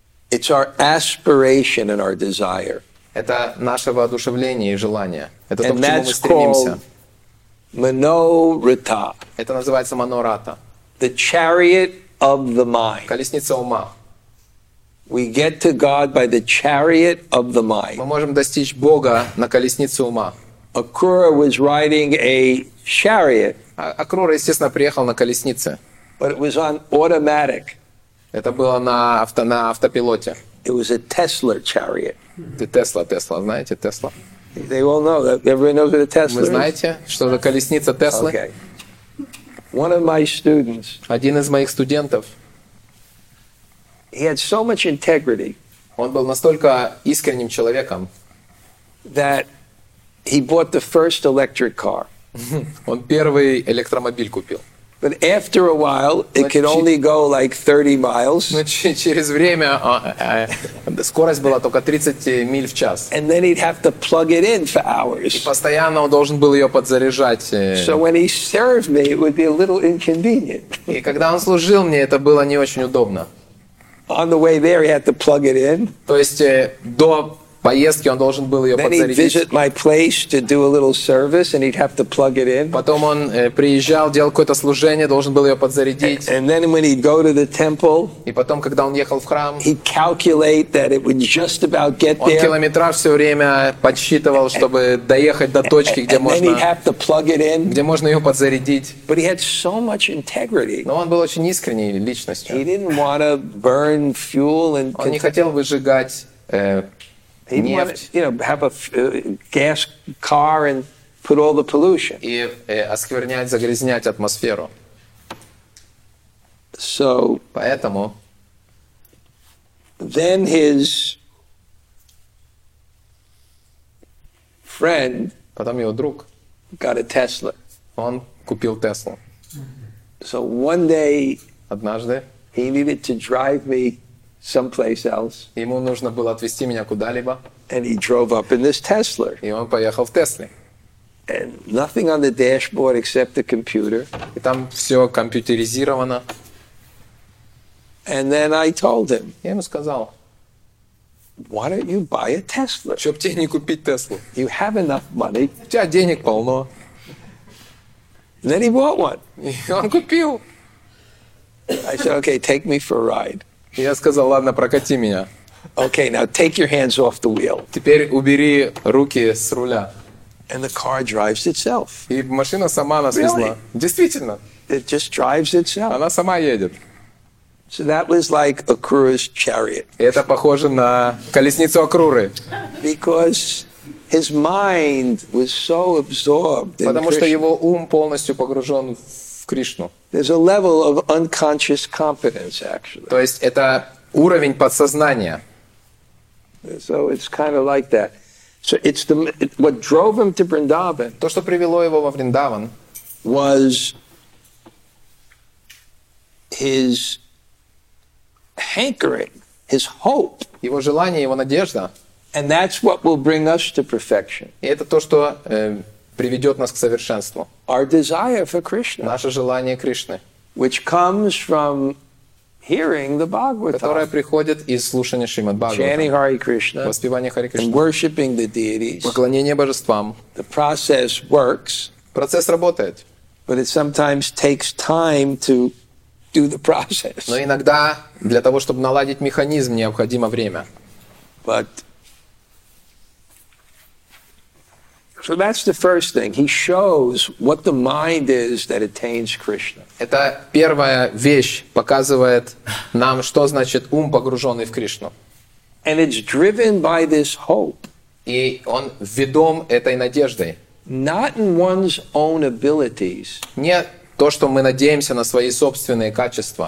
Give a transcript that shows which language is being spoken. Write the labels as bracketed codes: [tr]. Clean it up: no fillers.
[en] it's our aspiration and our desire. [ru] Это наше воодушевление и желание. Это то, к чему мы стремимся. [en] Manorata. [ru] Это называется манората. [en] The chariot of the mind. [ru] Колесница ума. [en] We get to God by the chariot of the mind. [ru] Мы можем достичь Бога на колеснице ума. [en] Akrura was riding a chariot. [ru] Akrura, естественно, приехал на колеснице. [en] But it was on automatic. [ru] Это было на автопилоте. [en] It was a Tesla chariot. [ru] The Tesla, Tesla, знаете, Tesla? [en] They all know that. Everybody knows what a Tesla is. [ru] Вы знаете, что за колесница Tesla? [en] Okay. One of my students. [ru] Один из моих студентов. [en] He had so much integrity. [ru] Он был настолько искренним человеком. [en] That he bought the first electric car. [ru] Он первый электромобиль купил. [en] But after a while, it could only go like 30 miles. [ru] Через время скорость была только 30 миль в час. [en] And then he'd have to plug it in for hours. [ru] И постоянно он должен был ее подзаряжать. [en] So when he served me, it would be a little inconvenient. [ru] И когда он служил мне, это было не очень удобно. [en] On the way there, he had to plug it in. [ru] То есть до поездки он должен был ее подзарядить. [en] Then he'd visit my place to do a little service, and he'd have to plug it in. [ru] Потом он приезжал, делал какое-то служение, должен был ее подзарядить. [en] And then when he'd go to the temple, [ru] и потом, когда он ехал в храм, [en] he'd calculate that it would just about get there. [ru] Он километраж все время подсчитывал, чтобы доехать до точки, где можно. [en] And then he'd have to plug it in. [ru] Где можно ее подзарядить. [en] But he had so much integrity. [ru] Но он был очень искренней личностью. [en] He didn't want to burn fuel and. [ru] Он не хотел выжигать. [en] He didn't want to, you know, have a gas car and put all the pollution. [ru] И осквернять, загрязнять атмосферу. [en] So, [ru] поэтому [en] then his friend, [ru] потом его друг, [en] got a Tesla. [ru] Он купил Tesla. [en] So one day, [ru] однажды, [en] he needed to drive me someplace else. [ru] Ему нужно было отвезти меня куда-либо. [en] And he drove up in this Tesla. [ru] И он поехал в Тесле. [en] And nothing on the dashboard except the computer. [ru] И там все компьютеризировано. [en] And then I told him. [ru] Я ему сказал. [en] Why don't you buy a Tesla? [ru] Чтоб тебе не купить Теслу. [en] You have enough money. [ru] У тебя денег полно. [en] And then he bought one. [ru] И он купил. [en] I said, okay, take me for a ride. [ru] И я сказал, ладно, прокати меня. [en] Okay, now take your hands off the wheel. [ru] Теперь убери руки с руля. [en] And the car drives itself. [ru] И машина сама нас везла. [en] Really? [ru] Действительно. [en] It just drives itself. [ru] Она сама едет. [en] So that was like a Akura's chariot. [ru] Это похоже на колесницу Акуры. [en] Because his mind was so absorbed in [ru] Потому что его ум полностью погружен в Кришну. [en] There's a level of unconscious competence, actually. [ru] То есть это уровень подсознания. [en] So it's kind of like that. So it's the what drove him to Vrindavan. [ru] То, что привело его во Вриндаван, [en] was his hankering, his hope. [ru] Его желание, его надежда. [en] And that's what will bring us to perfection. [ru] И это то, что приведет нас к совершенству. [en] Our desire for Krishna. [ru] Наше желание Кришны. [en] Which comes from hearing the Bhagavatam, [ru] которая приходит из слушания Шримад Бхагаватам, [en] chanting Hare Krishna, [ru] воспевание Харе Кришна, [en] and worshiping the deities, [ru] поклонение божествам. [en] The process works, [ru] процесс работает, [en] but it sometimes takes time to do the process. [ru] Но иногда для того, чтобы наладить механизм, необходимо время. [en] But so that's the first thing. He shows what the mind is that attains Krishna. [ru] Это первая вещь, показывает нам, что значит ум, погруженный в Кришну. [en] And it's driven by this hope. [ru] И он ведом этой надеждой. [en] Not in one's own abilities. [ru] Не то, что мы надеемся на свои собственные качества.